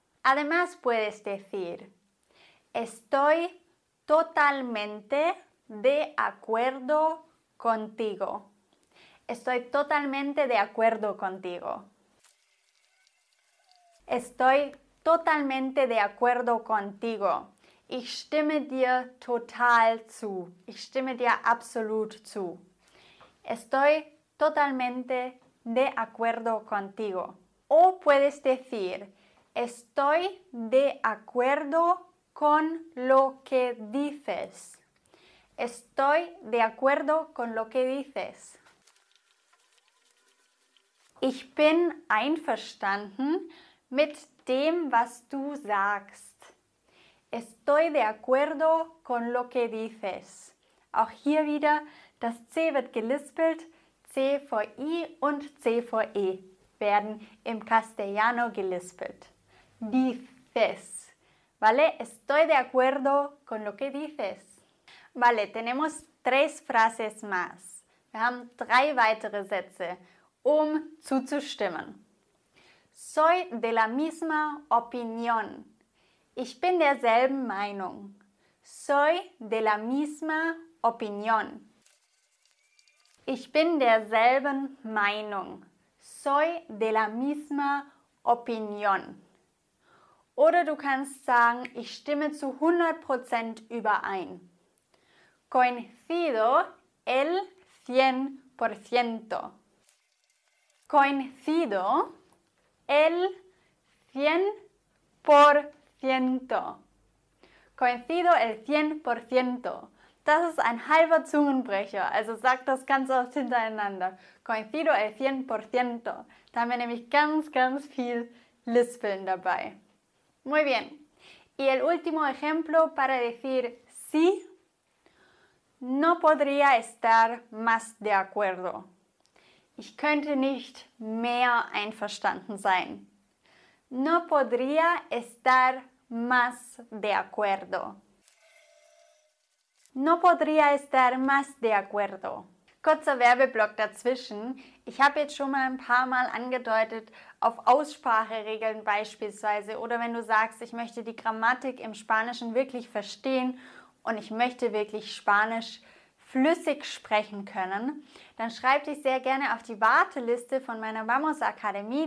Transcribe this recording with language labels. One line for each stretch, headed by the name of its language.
Spanish: Además puedes decir, estoy totalmente de acuerdo contigo. Estoy totalmente de acuerdo contigo. Estoy totalmente de acuerdo contigo.
German: Ich stimme dir total zu. Ich stimme dir absolut zu.
Spanish: Estoy totalmente de acuerdo contigo. O puedes decir, estoy de acuerdo con lo que dices. Estoy de acuerdo con lo que dices.
German: Ich bin einverstanden mit dem, was du sagst.
Spanish: Estoy de acuerdo con lo que dices.
German: Auch hier wieder, das C wird gelispelt. C vor I und C vor E werden im Castellano gelispelt.
Spanish: Dices. ¿Vale? Estoy de acuerdo con lo que dices. Vale, tenemos tres frases más.
German: Wir haben drei weitere Sätze, um zuzustimmen.
Spanish: Soy de la misma opinión.
German: Ich bin derselben Meinung.
Spanish: Soy de la misma opinión.
German: Ich bin derselben Meinung.
Spanish: Soy de la misma opinión.
German: Oder du kannst sagen, ich stimme zu 100% überein.
Spanish: Coincido el 100%. Coincido el 100%. Coincido el 100%.
German: Das ist ein halber Zungenbrecher, also sag das ganz oft hintereinander.
Spanish: Coincido el 100%.
German: Da haben wir nämlich ganz, ganz viel Lispeln dabei.
Spanish: Muy bien. Y el último ejemplo para decir sí, no podría estar más de acuerdo.
German: Ich könnte nicht mehr einverstanden sein.
Spanish: No podría estar más de acuerdo. No podría estar más de acuerdo.
German: Kurzer Werbeblock dazwischen. Ich habe jetzt schon mal ein paar Mal angedeutet, auf Ausspracheregeln beispielsweise oder wenn du sagst, ich möchte die Grammatik im Spanischen wirklich verstehen und ich möchte wirklich Spanisch flüssig sprechen können, dann schreib dich sehr gerne auf die Warteliste von meiner Vamos Akademie.